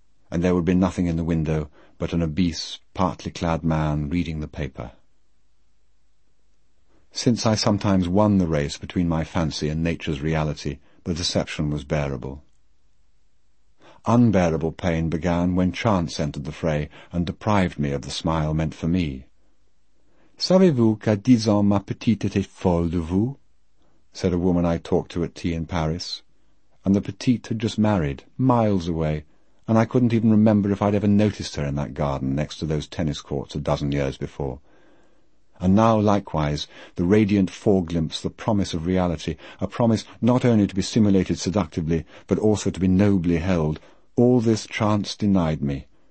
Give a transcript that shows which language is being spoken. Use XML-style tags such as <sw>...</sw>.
<en>And there would be nothing in the window but an obese, partly clad man reading the paper. Since I sometimes won the race between my fancy and nature's reality, the deception was bearable. Unbearable pain began when chance entered the fray and deprived me of the smile meant for me.</en> <fr>"Savez-vous qu'à 10 ans ma petite était folle de vous?"</fr> <en>said a woman I talked to at tea in Paris. And the petite had just married, miles away, and I couldn't even remember if I'd ever noticed her in that garden next to those tennis courts 12 years before. And now, likewise, the radiant foreglimpse, the promise of reality, a promise not only to be simulated seductively, but also to be nobly held, all this chance denied me.</en>